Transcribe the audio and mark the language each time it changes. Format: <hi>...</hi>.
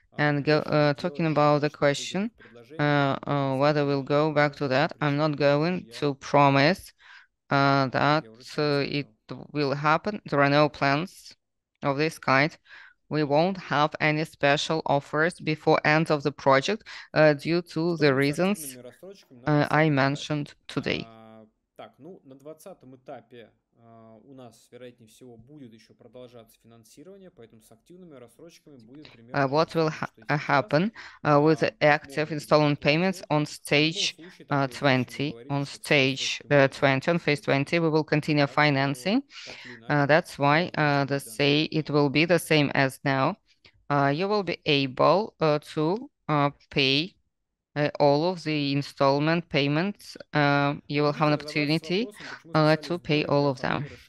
<en>And talking about the question whether we'll go back to that, I'm not going to promise that it will happen. There are no plans of this kind. We won't have any special offers before end of the project due to the reasons I mentioned today.</en> <ru>Так, ну, на 20-м этапе у нас, вероятнее всего, будет еще продолжаться финансирование, поэтому с активными рассрочками будет примерно...</ru> <en>What will happen with active installment payments on stage 20? On stage 20, on phase 20, we will continue financing. That's why the say it will be the same as now. You will be able to pay all of the installment payments, you will have an opportunity to pay all of them.</en>